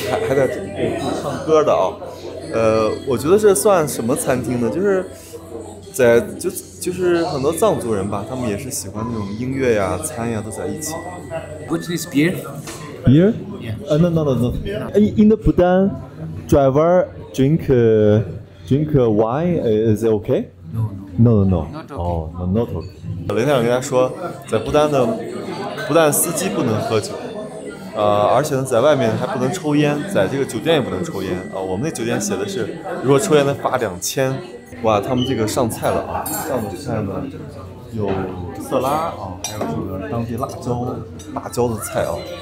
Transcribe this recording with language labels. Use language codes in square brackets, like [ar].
[zh] 还在唱歌的啊，我觉得这算什么餐厅呢？就是在就是很多藏族人吧，他们也是喜欢那种音乐呀、餐呀都在一起。 [en] What is beer? Beer? Yeah. No. In the Bhutan, driver drink wine, is it okay? No. Not okay. [zh] 雷探长跟他说，在不丹的，不但司机不能喝酒，而且呢，在外面还不能抽烟，在这个酒店也不能抽烟。我们那酒店写的是，如果抽烟的罚2000。哇，他们这个上菜了啊，上菜呢，有色拉啊，还有这个当地辣椒的菜啊。